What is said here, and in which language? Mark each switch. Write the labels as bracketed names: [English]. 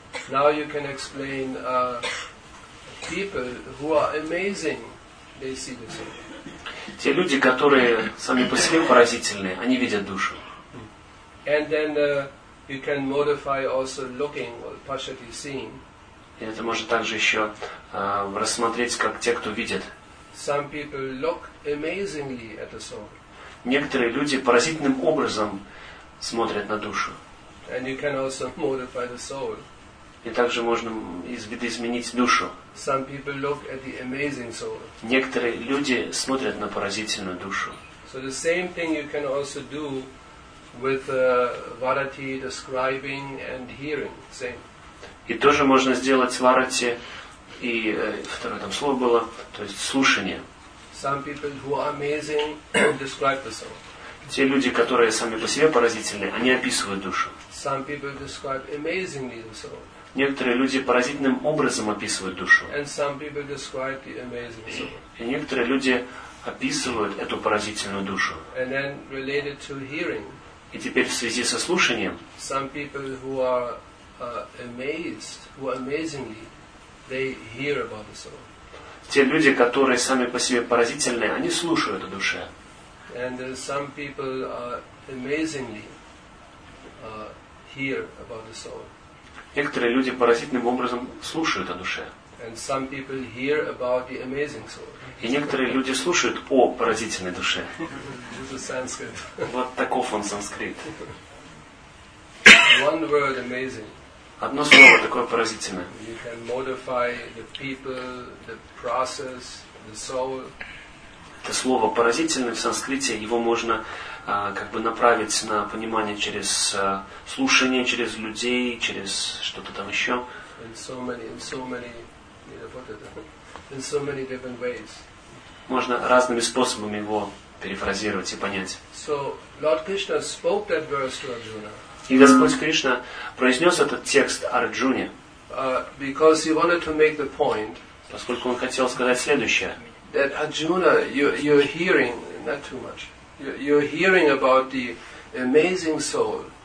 [English] Now you can explain people who are amazing, they see the soul. [Russian] Те люди, которые сами по себе поразительные, они видят душу. [English] And then you can modify also looking or partially seeing. [Russian] И это можно также еще рассмотреть как те, кто видит. [English] Some people look amazingly at the soul. [Russian] Некоторые люди поразительным образом смотрят на душу. [English] And you can also modify the soul. [Russian] И также можно видоизменить душу. [English] Some people look at the amazing soul. [Russian] Некоторые люди смотрят на поразительную душу. [English] So the same thing you can also do with varati describing and hearing. Same. [Russian] И тоже можно сделать варати, и второе там слово было, то есть слушание. [English] Some people who are amazing describe the soul. [Russian] Те люди, которые сами по себе поразительны, они описывают душу. [English] Some people describe amazingly the soul. [Russian] Некоторые люди поразительным образом описывают душу. [English] And some people describe the amazing soul. [Russian] И некоторые люди описывают эту поразительную душу. [English] And then related to hearing. [Russian] И теперь в связи со слушанием. [English] Some people who are amazed, who are amazingly, they hear about the soul. [Russian] Те люди, которые сами по себе поразительные, они слушают о душе. [English] And some people amazingly hear about the soul. [Russian] Некоторые люди поразительным образом слушают о душе. [English] And some people hear about the amazing soul. [Russian] И некоторые люди слушают о поразительной душе. [English] This is Sanskrit. [Russian] Вот таков он санскрит. [English] One word amazing. [Russian] Одно слово такое поразительное. [English] You can modify the people, the process, the soul. [Russian] Это слово поразительное в санскрите, его можно как бы направить на понимание через слушание, через людей, через что-то там еще. [English] In so many different ways. [Russian] Можно разными способами его перефразировать и понять. [English] So Lord Krishna spoke that verse to Arjuna. [Russian] И Господь Кришна произнес этот текст Арджуне, [English] because he wanted to make the point, [Russian] поскольку он хотел сказать следующее, [English] that Arjuna, you're hearing, not too much, you're hearing about the amazing soul,